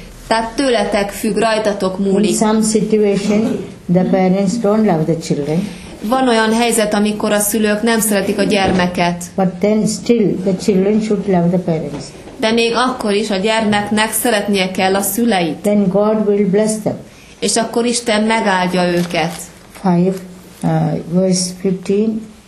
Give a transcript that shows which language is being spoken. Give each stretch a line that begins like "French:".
Hungarian: Tehát tőletek függ, rajtatok múlik.
English: In some situation, the parents don't love the children.
Hungarian: Van olyan helyzet, amikor a szülők nem szeretik a gyermeket.
English: But then still, the children should love the parents.
Hungarian: De még akkor is a gyermeknek szeretnie kell a szüleit.
English: Then God will bless them.
Hungarian: És akkor Isten megáldja őket.
English: 5, verse 15.